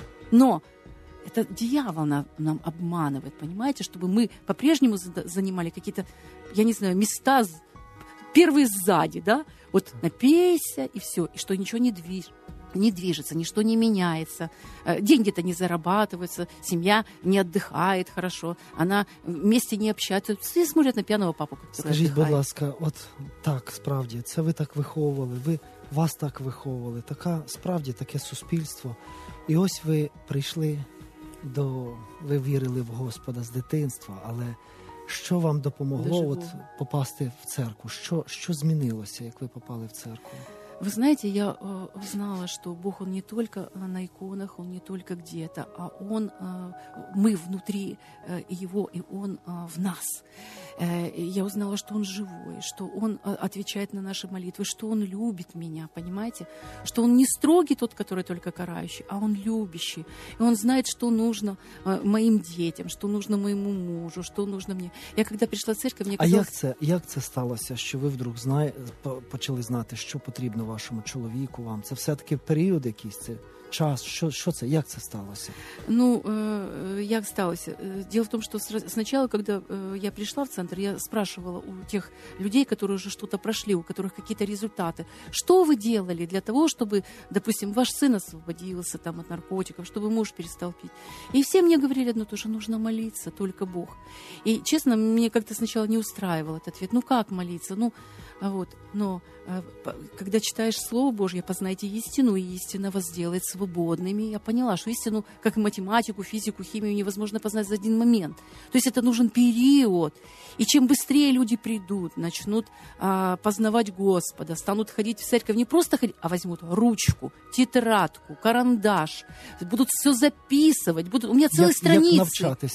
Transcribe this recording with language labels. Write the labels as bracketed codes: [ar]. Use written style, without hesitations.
[ru] Но это дьявол нам обманывает, понимаете, чтобы мы по-прежнему занимали какие-то, я не знаю, места первые сзади, да? Вот напейся и все, и что ничего не движется, ничто не меняется, деньги-то не зарабатываются, семья не отдыхает хорошо, она вместе не общается, все смотрят на пьяного папу, который отдыхает. [uk] Скажите, будь ласка, вот так, справді, це ви так виховували, вас так виховували, така, справді, таке суспільство, і ось ви прийшли ви вірили в Господа з дитинства, але що вам допомогло от попасти в церкву, що змінилося, як ви попали в церкву? [ru] Вы знаете, я знала, что Бог, Он не только на иконах, Он не только где-то, а Он, мы внутри Его, и Он в нас. Я узнала, что Он живой, что Он отвечает на наши молитвы, что Он любит меня, понимаете? Что Он не строгий тот, который только карающий, а Он любящий. И Он знает, что нужно моим детям, что нужно моему мужу, что нужно мне. Я когда пришла в церковь, мне казалось... [uk] А як це сталося, що ви вдруг почали знати, що потрібно вашому чоловіку, вам? Це все-таки період якийсь, це час? Що це? Як це сталося? Ну, як сталося? Діло в тому, що спочатку, коли я прийшла в центр, я спрашивала у тих людей, які вже щось пройшли, у яких якісь результати, що ви робили для того, щоб, допустим, ваш син освободився там від наркотиків, щоб муж перестав пити. І всі мені говорили одно те, що потрібно молитися, тільки Бог. І, чесно, мені якось спочатку не устраивало цей відповідь. Ну, як молитися? [ru] Ну, вот, но когда читаешь Слово Божье, познайте истину, и истина вас сделает свободными. Я поняла, что истину, как и математику, физику, химию, невозможно познать за один момент. То есть это нужен период. И чем быстрее люди придут, начнут познавать Господа, станут ходить в церковь, не просто ходить, а возьмут ручку, тетрадку, карандаш, будут все записывать, будут... У меня целые страницы.